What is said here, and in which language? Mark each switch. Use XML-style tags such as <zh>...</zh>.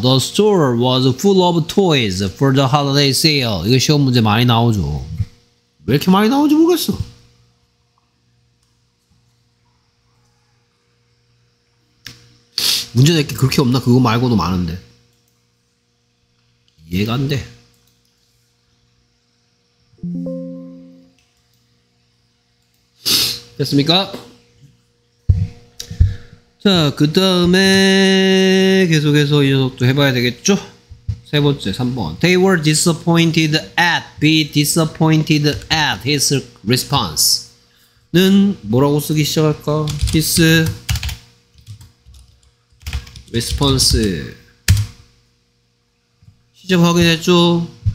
<en>The store was full of toys for the holiday sale.</en> <ko>이거 시험 문제 많이 나오죠. 왜 이렇게 많이 나오는지 모르겠어. 문제 낼 게 그렇게 없나? 그거 말고도 많은데. 이해가 안 돼. 됐습니까? 자, 그 다음에 계속해서 이 녀석도 해봐야 되겠죠? 세 번째, 3번.</ko> <en>They were disappointed at, be disappointed at his response.</en> <ko>는 뭐라고 쓰기 시작할까?</ko> <en>his response.</en> <ko>시작 확인했죠?</ko>